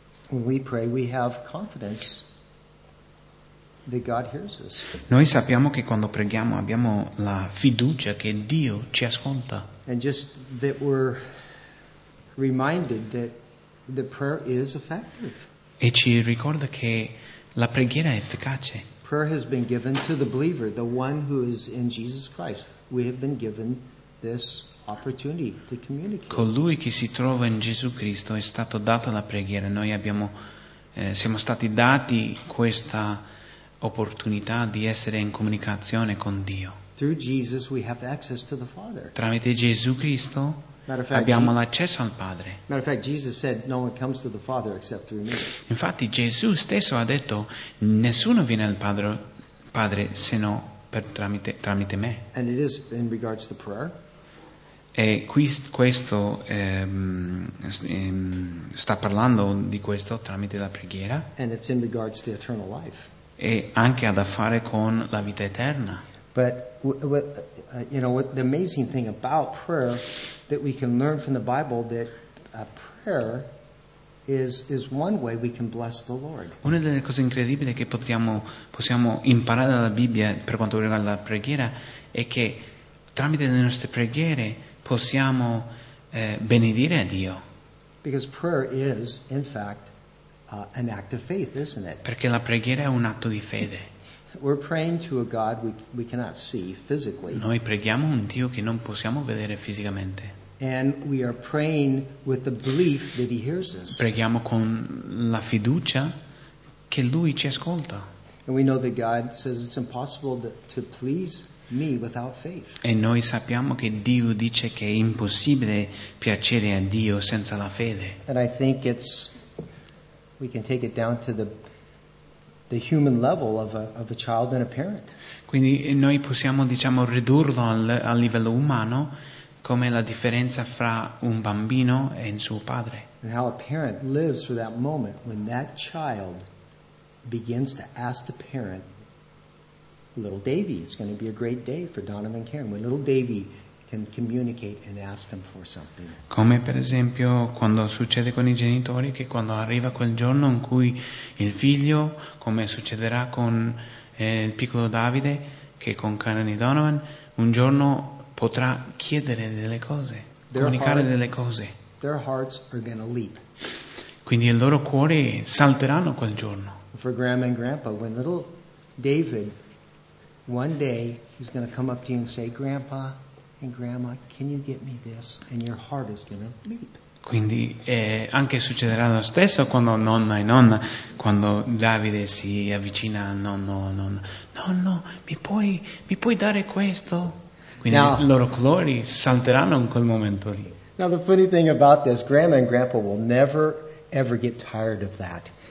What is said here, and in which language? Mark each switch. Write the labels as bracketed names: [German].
[English] When we pray, we have confidence that God hears us. [Italian] Noi sappiamo che quando preghiamo abbiamo la fiducia che Dio ci ascolta. [English] And just that we're reminded that the prayer is effective. [Italian] E ci ricorda che la preghiera è efficace. [English] Prayer has been given to the believer, the one who is in Jesus Christ. We have been given this opportunity to communicate. [Italian] Colui che si trova in Gesù Cristo è stato dato la preghiera. Noi abbiamo, siamo stati dati questa opportunità di essere in comunicazione con Dio. [English] Through Jesus we have access to the Father. [Italian] Tramite Gesù Cristo abbiamo l'accesso al Padre. [English] Matter of fact, Jesus said, "No one comes to the Father except through me." [Italian] Infatti, Gesù stesso ha detto, "Nessuno viene al Padre, se no per tramite me." [English] And it is in regards to prayer. [Italian] E questo sta parlando di questo tramite la preghiera. [English] And it's in regards to eternal life. [Italian] E anche ha da fare con la vita eterna. [English] But what the amazing thing about prayer that we can learn from the Bible that prayer is one way we can bless the Lord. [Italian] Una delle cose incredibili che possiamo imparare dalla Bibbia per quanto riguarda la preghiera è che tramite le nostre preghiere possiamo benedire a Dio. [English] Because prayer is in fact an act of faith, isn't it? [Italian] Perché la preghiera è un atto di fede. [English] We're praying to a God we cannot see physically. [Italian] Noi preghiamo un Dio che non possiamo vedere fisicamente. [English] And we are praying with the belief that He hears us. [Italian] Preghiamo con la fiducia che Lui ci ascolta. [English] And we know that God says it's impossible to please me without faith. [Italian] E noi sappiamo che Dio dice che è impossibile piacere a Dio senza la fede. [English] And I think we can take it down to the human level of a child and a parent. [Italian] Quindi noi possiamo, diciamo, ridurlo a livello umano come la differenza fra un bambino e il suo padre. [English] And how a parent lives for that moment when that child begins to ask the parent, little Davy, it's going to be a great day for Donovan and Karen, when little Davy can communicate and ask him for something. [Italian] Come per esempio quando succede con i genitori, che quando arriva quel giorno in cui il figlio, come succederà con il piccolo Davide, che con Karen e Donovan, un giorno potrà chiedere delle cose, delle cose. [English] Their hearts are gonna leap. [Italian] Quindi il loro cuore salteranno quel giorno. [English] For grandma and grandpa, when little David one day is gonna come up to you and say, "Grandpa and grandma, can you get me this?" And your heart is going to leap. [Italian] Quindi anche succederà lo stesso quando nonna e nonna, quando Davide si avvicina al nonno, nonna, nonno, mi puoi dare questo? Quindi [English] now, [Italian] loro cuori salteranno in quel momento lì. [English] Now the funny thing about this, grandma and grandpa will never ever get tired of that.